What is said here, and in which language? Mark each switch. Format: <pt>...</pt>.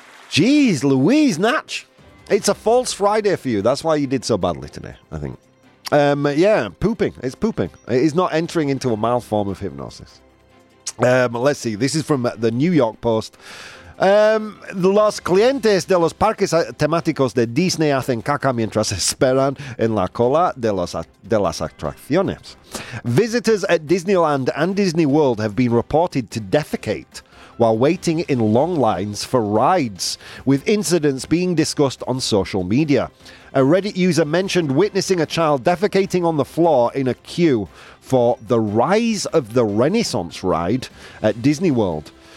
<en>Jeez, Louise, Natch. It's a false Friday for you. That's why you did so badly today, I think. Yeah, pooping. It's pooping. It is not entering into a mild form of hypnosis. Let's see. This is from the New York Post.</en> <es>Los clientes de los parques temáticos de Disney hacen caca mientras esperan en la cola de las atracciones.</es> <en>Visitors at Disneyland and Disney World have been reported to defecate while waiting in long lines for rides, with incidents being discussed on social media. A Reddit user mentioned witnessing a child defecating on the floor in a queue for the Rise of the Renaissance ride at Disney World.</en>